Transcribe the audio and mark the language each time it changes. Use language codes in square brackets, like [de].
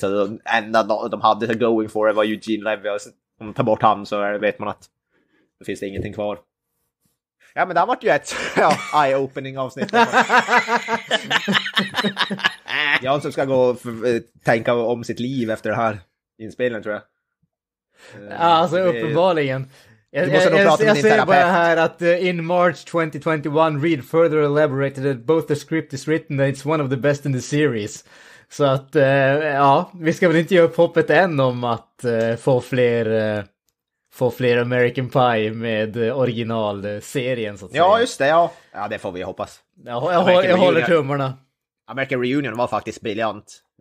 [sv] Så det enda de hade [en] going for it [sv] var Eugene Levy. Och så, om man tar bort han så vet man att då finns det ingenting kvar. Ja, men det har varit ju ett eye-opening-avsnitt. Jag som ska gå och tänka om sitt liv efter det här inspelningen, tror jag. Ja, alltså uppenbarligen. Jag ser bara här att [en] in March 2021 Reed further elaborated that both the script is written and it's one of the best in the series. [sv] Så att ja, vi ska väl inte ge upp hoppet än om att få fler American Pie med originalserien, så att säga. Ja, just det, ja. Ja, det får vi hoppas. Jag håller tummarna. American Reunion var faktiskt briljant.